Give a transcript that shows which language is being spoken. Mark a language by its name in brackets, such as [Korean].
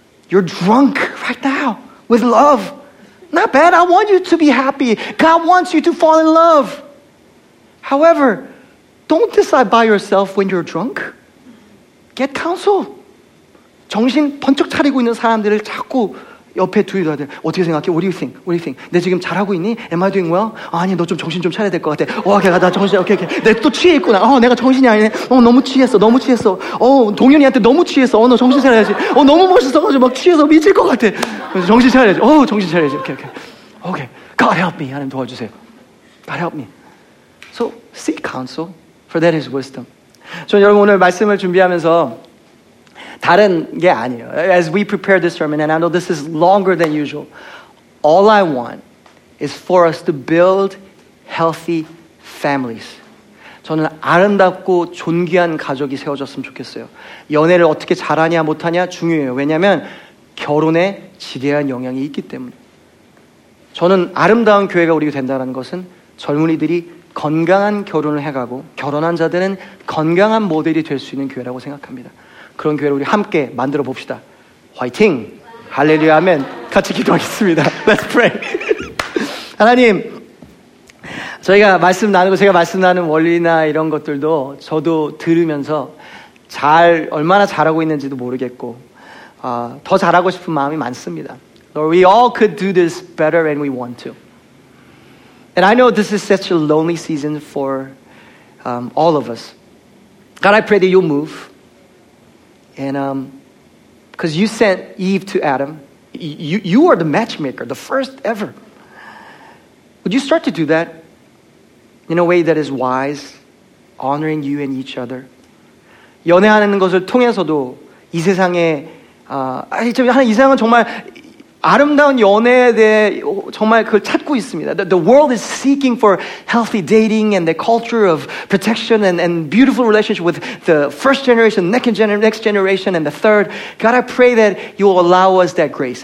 [English] You're drunk right now with love. Not bad. I want you to be happy. God wants you to fall in love. However, don't decide by yourself when you're drunk. Get counsel. [Korean] 정신 번쩍 차리고 있는 사람들을 자꾸 옆에 두어야 돼. 어떻게 생각해? [English] What do you think? What do you think? [Korean] 내 지금 잘하고 있니? [English] Am I doing well? [Korean] 아니, 너 좀 정신 좀 차려야 될 것 같아. 오케이, 나 정신, 오케이, 오케이. 내가 또 취해 있구나. 내가 정신이 아니네. 너무 취했어. 동현이한테 너무 취했어. 너 정신 차려야지. 너무 멋있어가지고 막 취해서 미칠 것 같아. 정신 차려야지. 정신 차려야지. 오케이, 오케이. 오케이. [English] God help me. [Korean] 하나님 도와주세요. God help me. [English] So, seek counsel. For that is wisdom. [Korean] 저는 여러분 오늘 말씀을 준비하면서 다른 게 아니에요. [English] As we prepare this sermon, and I know this is longer than usual, all I want is for us to build healthy families. [Korean] 저는 아름답고 존귀한 가족이 세워졌으면 좋겠어요. 연애를 어떻게 잘하냐 못하냐 중요해요. 왜냐하면 결혼에 지대한 영향이 있기 때문에. 저는 아름다운 교회가 우리가 된다는 것은 젊은이들이 건강한 결혼을 해가고 결혼한 자들은 건강한 모델이 될 수 있는 교회라고 생각합니다. 그런 교회를 우리 함께 만들어 봅시다. 화이팅! 할렐루야, 아멘! 같이 기도하겠습니다. [English] Let's pray! [Korean] 하나님, 저희가 말씀 나누고 제가 말씀 나누는 원리나 이런 것들도 저도 들으면서 잘 얼마나 잘하고 있는지도 모르겠고 더 잘하고 싶은 마음이 많습니다. [English] Lord, we all could do this better when we want to. And I know this is such a lonely season for all of us. God, I pray that you'll move. And because you sent Eve to Adam, you are the matchmaker, the first ever. Would you start to do that in a way that is wise, honoring you and each other? [Korean] 연애하는 것을 통해서도 이 세상에, 이 세상은 정말 아름다운 연애에 대해 정말 그걸 찾고 있습니다. [English] The world is seeking for healthy dating and the culture of protection and beautiful relationship with the first generation, next generation, and the third. God, I pray that you will allow us that grace.